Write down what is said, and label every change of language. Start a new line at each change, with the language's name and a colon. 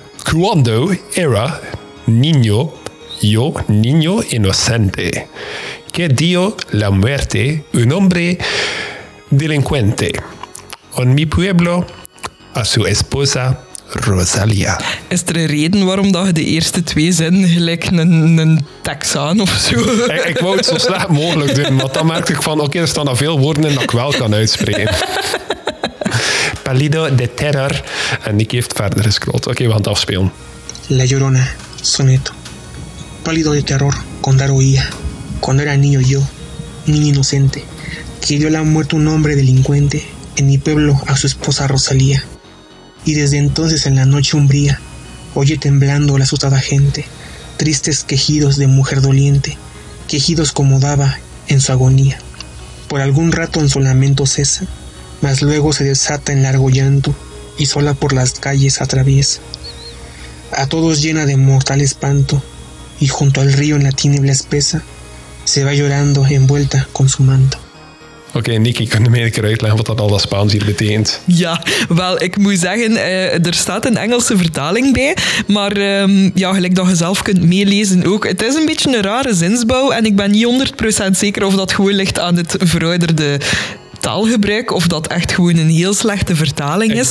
Spanish: Cuando era niño, yo niño inocente. Que dio la muerte un hombre delincuente. En mi pueblo a su esposa Rosalia.
Dutch: Is er een reden waarom dat je de eerste twee zinnen gelijk een Texaan of zo? Ik wou het zo slecht mogelijk doen, want dan merkte ik van oké, er staan al veel woorden in dat ik wel kan uitspreken.
Spanish: Pálido de terror.
Dutch: En Nicky heeft verder gescrollt. Oké, we gaan het afspelen.
Spanish: La Llorona, soneto. Pálido de terror, cuando oía. Cuando era niño yo, niño inocente. Que yo le ha muerto un hombre delincuente en mi pueblo a su esposa Rosalía. Y desde entonces en la noche umbría, oye temblando la asustada gente, tristes quejidos de mujer doliente, quejidos como daba en su agonía. Por algún rato en su lamento cesa, mas luego se desata en largo llanto, y sola por las calles atraviesa, a todos llena de mortal espanto, y junto al río en la tiniebla espesa, se va llorando envuelta con su manto.
Dutch: Oké, okay, Nick, ik kan de medeker uitleggen wat dat al dat Spaans hier betekent. Ja, wel, ik moet zeggen, er staat een Engelse vertaling bij, maar ja, gelijk dat je zelf kunt meelezen ook. Het is een beetje een rare zinsbouw en ik ben niet 100% zeker of dat gewoon ligt aan het verouderde taalgebruik of dat echt gewoon een heel slechte vertaling is.